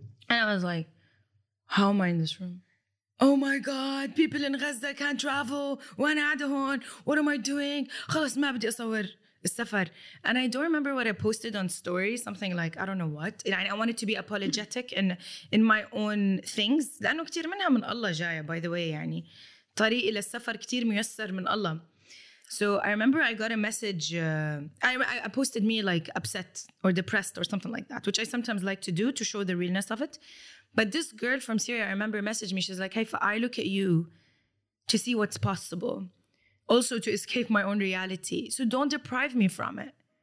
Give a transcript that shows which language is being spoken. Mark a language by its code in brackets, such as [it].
[en] And I was like, how am I in this room? Oh my God, people in Gaza can't travel. [ar] وانا عاد هون. [en] What am I doing? [ar] خلاص ما بدي أصور السفر. [en] And I don't remember what I posted on story, something like, I don't know what. I wanted to be apologetic in my own things. [ar] لأنه كتير منها من الله جاية, [en] by the way, [ar] يعني. طريق إلى السفر كتير ميسر من الله. [en] So I remember I got a message. I posted me like upset or depressed or something like that, which I sometimes like to do to show the realness of it. But this girl from Syria, I remember, messaged me. She's like, Haifa, I look at you to see what's possible. Also to escape my own reality. So don't deprive me from it.